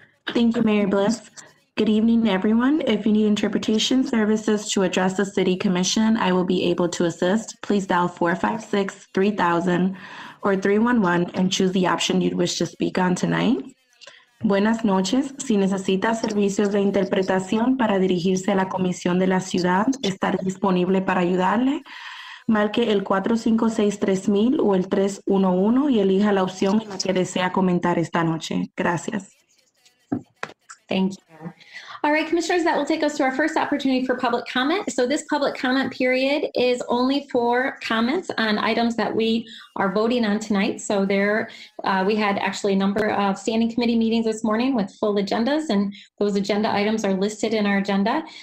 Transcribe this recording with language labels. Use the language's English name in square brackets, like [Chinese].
[English] Thank you, Mayor Bliss. Good evening, everyone. If you need interpretation services to address the City Commission, I will be able to assist. Please dial 456-3000 or 311 and choose the option you'd wish to speak on tonight. [Spanish] Buenas noches. Si necesita servicios de interpretación para dirigirse a la Comisión de la Ciudad, estaré disponible para ayudarle. Marque el 456-3000 o el 311 y elija la opción en la que desea comentar esta noche. Gracias. [English] Thank you. All right, commissioners, that will take us to our first opportunity for public comment. So this public comment period is only for comments on items that we are voting on tonight. So there, we had actually a number of standing committee meetings this morning with full agendas, and those agenda items are listed in our agenda.